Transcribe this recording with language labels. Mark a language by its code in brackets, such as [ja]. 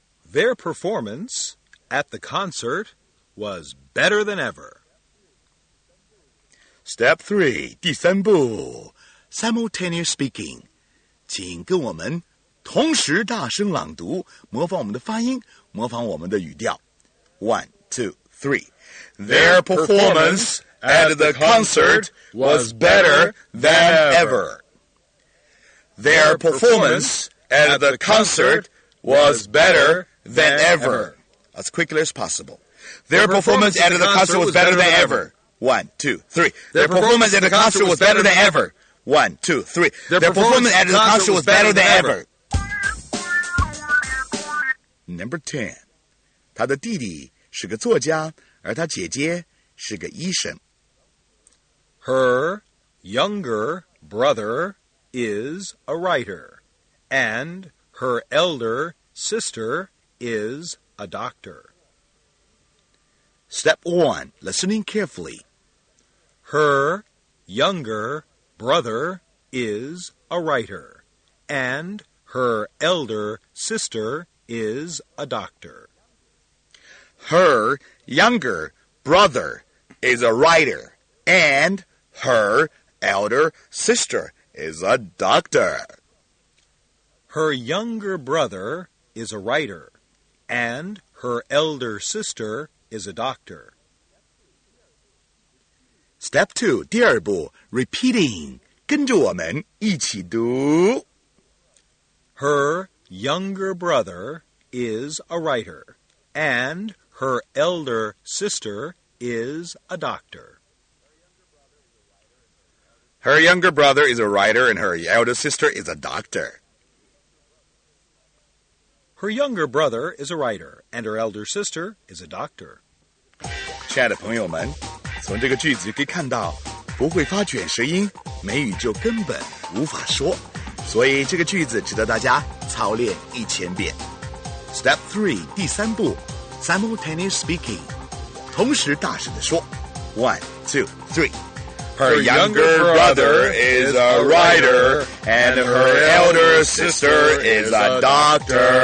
[en] Their performance at the concert was better than ever. Step 3, [zh] 第三步 [en] Simultaneous speaking. [zh] 请跟我们同时大声朗读，模仿我们的发音，模仿我们的语调。 [en] One, two, three. Their performance at the concert was better than ever. Their performance at the concert was better than ever. As quickly as possible. Their performance at the concert was better than ever. One, two, three. Their performance at the concert was better than ever. One, two, three. Their performance at the concert was better than ever. Number 10, [zh] 他的弟弟是个作家，而他姐姐是个医生。 [en] Her younger brother is a writer, and her elder sister is a doctor. Step 1, listening carefully. Her younger brother is a writer, and her elder sister is a doctor. Her younger brother is a writer, and her elder sister is a doctor. Her younger brother is a writer, and her elder sister is a doctor. Step 2, [zh] 第二步, [en] repeating, [zh] 跟着我们一起读。 [en] Her younger brother is a writer, and her elder sister is a doctor. Her younger brother is a writer, and her elder sister is a doctor. Her younger brother is a writer, and her elder sister is a doctor. [zh] 亲爱的朋友们，从这个句子可以看到，不会发卷舌音，美语就根本无法说。所以这个句子值得大家操练一千遍。 [en] Step 3, [zh] 第三步 [en] Simultaneous speaking [zh] 同时大声地说 [en] 1, 2, 3 Her younger brother is a writer, and her elder sister is a doctor.